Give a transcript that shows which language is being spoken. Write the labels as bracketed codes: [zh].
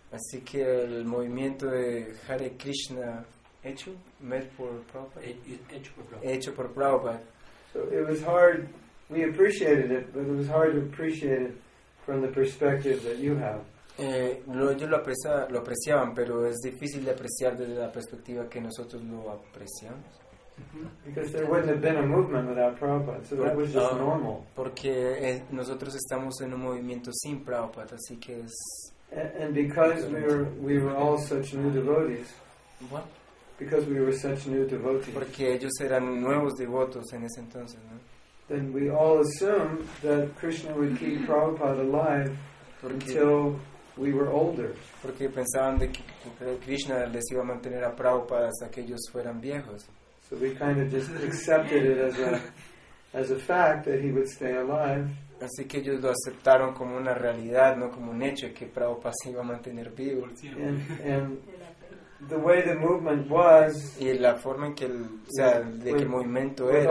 [es] Así que el movimiento de Hare Krishna hecho por Prabhupada. [en] So it was hard. We appreciated it, but it was hard to appreciate it from the perspective that you have. [es] Ellos lo apreciaban, pero es difícil de apreciar desde la perspectiva que nosotros lo apreciamos. [en] Because there wouldn't have been a movement without Prabhupada, so that was just normal. [es] Porque nosotros estamos en un movimiento sin Prabhupada, así que es. [en] And because we were all such new devotees. What? Because we were such new devotees. [es] Porque ellos eran nuevos devotos en ese entonces, ¿no? [en] Then we all assumed that Krishna would keep Prabhupada alive until we were older. [es] Porque pensaban de que Krishna les iba a mantener a Prabhupada hasta que ellos fueran viejos. [en] So we kind of just accepted it as a fact that he would stay alive. [es] Así que ellos lo aceptaron como una realidad, no como un hecho, que Prabhupada se iba a mantener vivo. [en] And the way the movement was, [es] y la forma en que el, o sea, de que el movimiento era,